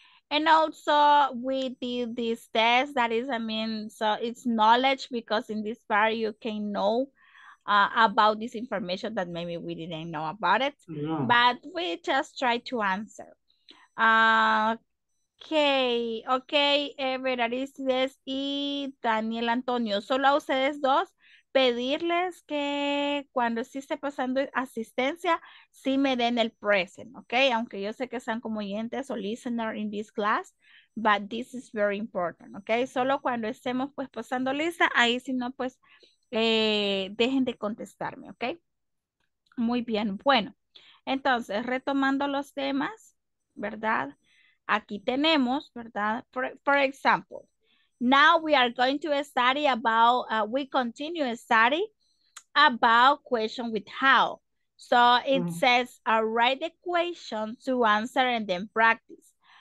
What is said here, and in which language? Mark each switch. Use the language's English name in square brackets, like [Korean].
[English] And also we did this test that is, so it's knowledge, because in this part you can know about this information that maybe we didn't know about it, yeah. But we just try to answer. [Spanish] Okay, Everardis y Daniel Antonio, solo a ustedes dos pedirles que cuando sí esté pasando asistencia, sí me den el present, okay? Aunque yo sé que sean como oyentes o listener in this class, [English] but this is very important, okay? [Spanish] Solo cuando estemos pues pasando lista, ahí si no pues dejen de contestarme, okay? Muy bien, bueno, entonces retomando los temas, ¿verdad? Aquí tenemos, ¿verdad? [English] For example, now we are going to study about, we continue study about question with how. So it says, write the question to answer and then practice.